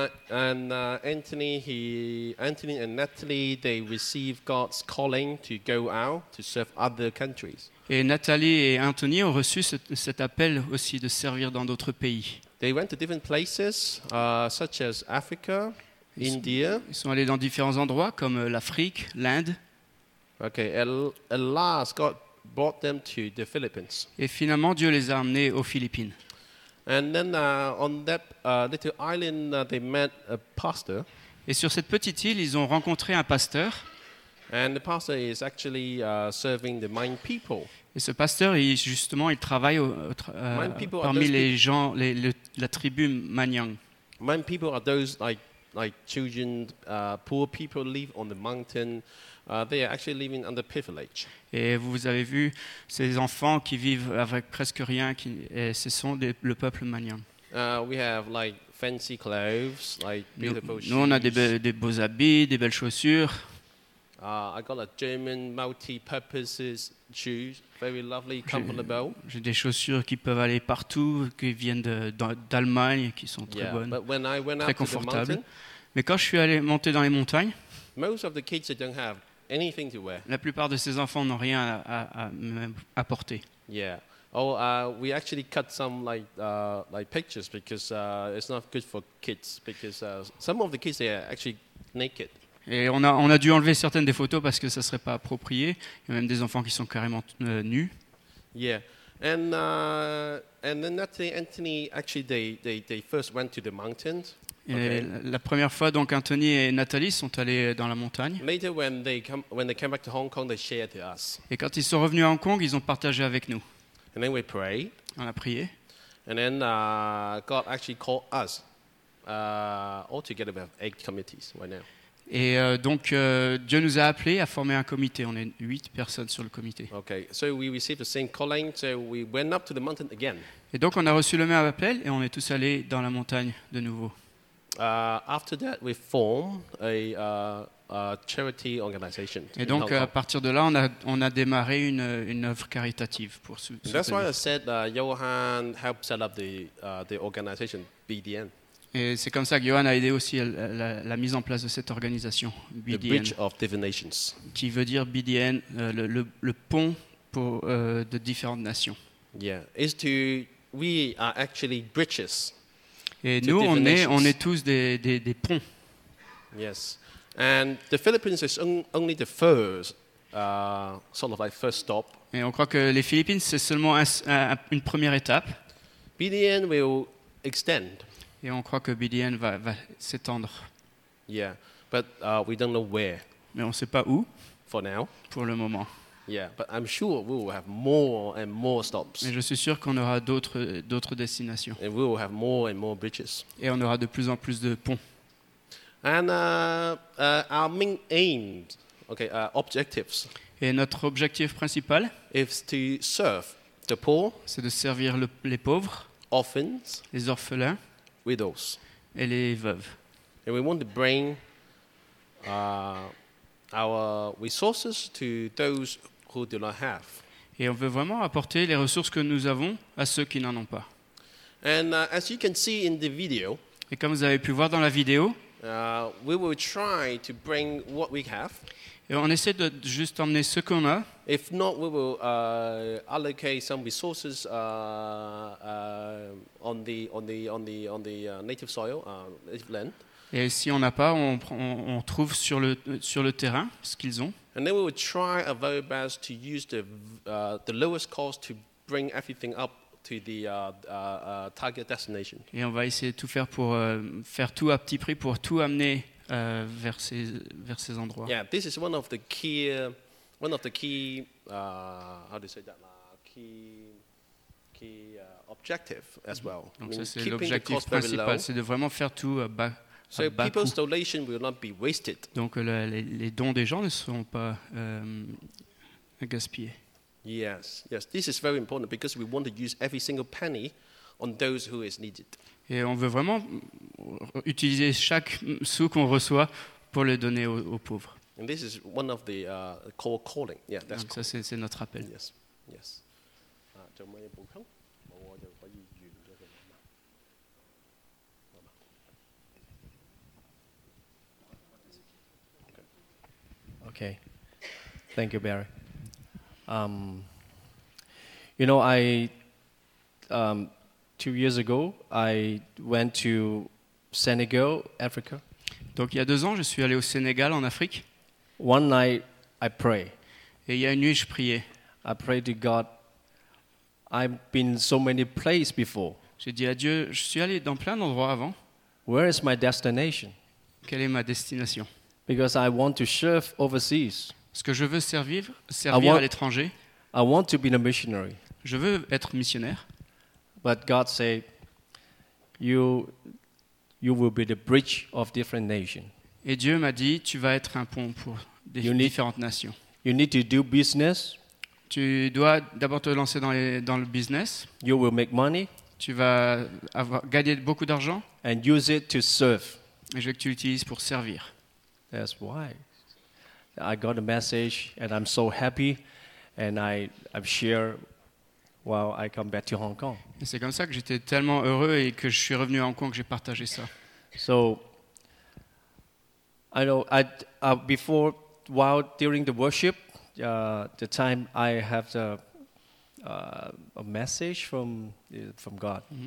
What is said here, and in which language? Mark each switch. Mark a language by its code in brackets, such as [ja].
[en] Anthony and Natalie, they received God's calling to go out to serve other countries. [fr] Et Natalie et Anthony ont reçu cet appel aussi de servir dans d'autres pays. [en] They went to different places, such as Africa, India. [fr] Ils sont allés dans différents endroits comme l'Afrique, l'Inde. [en] Okay, at last, God brought them to the Philippines. [fr] Et finalement, Dieu les a amenés aux Philippines. [en] And then on that little island, they met a pastor. [fr] Et sur cette petite île, ils ont rencontré un pasteur. [en] And the pastor is actually serving the Hmong people. [fr] Et ce pasteur, il travaille parmi les gens, la tribu Manyang. [en] Hmong people are those like children, poor people live on the mountain. They are actually living under privilege. [fr] Et vous avez vu ces enfants qui vivent avec presque rien, ce sont le peuple Manyang. [en] We have like fancy clothes, like beautiful shoes. [fr] Nous on a des beaux habits, des belles chaussures. [en] I got a German multi-purpose shoes, very lovely, comfortable. [fr] J'ai des chaussures qui peuvent aller partout, qui viennent d'Allemagne, qui sont très bonnes, [en] but when I went [fr] très confortables. [en] To the mountain, [fr] mais quand je suis allé monter dans les montagnes, [en] most of the kids don't have anything to wear. [fr] La plupart de ces enfants n'ont rien à porter. [en] Yeah. We actually cut some like pictures because it's not good for kids because some of the kids they are actually naked. [fr] Et on a dû enlever certaines des photos parce que ça serait pas approprié. Il y a même des enfants qui sont carrément nus. [en] Yeah. And then Anthony actually they first went to the mountains. [fr] Et okay. La première fois, donc Anthony et Natalie sont allés dans la montagne. [en] Later, when they came back to Hong Kong, they shared to us. [fr] Et quand ils sont revenus à Hong Kong, ils ont partagé avec nous. [en] And then we pray. [fr] On a prié. [en] And then God actually called us all together. We have 8 committees right now. [fr] Et donc Dieu nous a appelés à former un comité. On est 8 personnes sur le comité. [en] Okay, so we received the same calling, so we went up to the mountain again. [fr] Et donc on a reçu le même appel et on est tous allés dans la montagne de nouveau. [en] After that, we formed a charity organization. [fr] Et donc, à partir de là, on a démarré une œuvre caritative pour soutenir. [en] That's why I said Johan helped set up the organization BDN. [fr] Et c'est comme ça que Johan a aidé aussi la mise en place de cette organisation BDN. [en] The Bridge of Different Nations. [fr] Qui veut dire BDN, le pont pour de différentes nations. [en] Yeah, is to we are actually bridges. [fr] Et nous, on est tous des ponts. [en] Yes, and the Philippines is only the first sort of like first stop. [fr] Et on croit que les Philippines c'est seulement une première étape. [en] BDN will extend. [fr] Et on croit que BDN va s'étendre. [en] Yeah, but we don't know where. [fr] Mais on ne sait pas où. [en] For now. [fr] Pour le moment. [en] Yeah, but I'm sure we will have more and more stops. [fr] Mais je suis sûr qu'on aura d'autres destinations. [en] And we will have more and more bridges. [fr] Et on aura de plus en plus de ponts. [en] And our main aim, okay, objectives. [fr] Et notre objectif principal [en] is to serve the poor. [fr] C'est de servir les pauvres. [en] Orphans. [fr] Les orphelins. [en] Widows. [fr] Et les veuves. [en] And we want to bring our resources to those who do not have. [fr] Et on veut vraiment apporter les ressources que nous avons à ceux qui n'en ont pas. [en] And as you can see in the video, [fr] et comme vous avez pu voir dans la vidéo, [en] we will try to bring what we have. [fr] Et on essaie de juste emmener ce qu'on a. [en] If not, we will allocate some resources on the native soil, native land. [fr] Et si on n'a pas, on trouve sur le terrain ce qu'ils ont. [en] And then we will try our very best to use the lowest cost to bring everything up to the target destination. [fr] Et on va essayer de tout faire pour faire tout à petit prix pour tout amener vers ces endroits. [en] Yeah, this is one of the key how do you say that, key objective as mm-hmm. well. [fr] Donc ça c'est l'objectif principal, c'est de vraiment faire tout bas. [en] So people's donation will not be wasted. [fr] Donc les dons des gens ne seront pas gaspillés. [en] Yes. This is very important because we want to use every single penny on those who is needed. [fr] Et on veut vraiment utiliser chaque sou qu'on reçoit pour le donner aux pauvres. [en] And this is one of the core calling. Yeah, that's [fr] ça c'est notre appel. [en] Yes. Okay, thank you, Barry. You know, I 2 years ago I went to Senegal, Africa. [fr] Donc il y a deux ans, je suis allé au Sénégal en Afrique. [en] One night I pray. [fr] Et il y a une nuit, je priais. [en] I prayed to God. I've been so many places before. [fr] J'ai dit à Dieu, je suis allé dans plein d'endroits avant. [en] Where is my destination? [fr] Quelle est ma destination? [en] Because I want to serve overseas. [fr] Ce que je veux servir à l'étranger. [en] I want to be a missionary. [fr] Je veux être missionnaire. [en] But God said, you will be the bridge of different nations. [fr] Et Dieu m'a dit, tu vas être un pont pour différentes nations. [en] You need to do business. [fr] Tu dois d'abord te lancer dans le business. [en] You will make money. [fr] Tu vas gagner beaucoup d'argent. [en] And use it to serve. [fr] Et je veux que tu l'utilises pour servir. [en] That's why I got a message and I'm so happy and I share while I come back to Hong Kong. [fr] Et c'est comme ça que j'étais tellement heureux et que je suis revenu à Hong Kong que j'ai partagé ça. [en] So I know before while during the worship the time I have a message from God.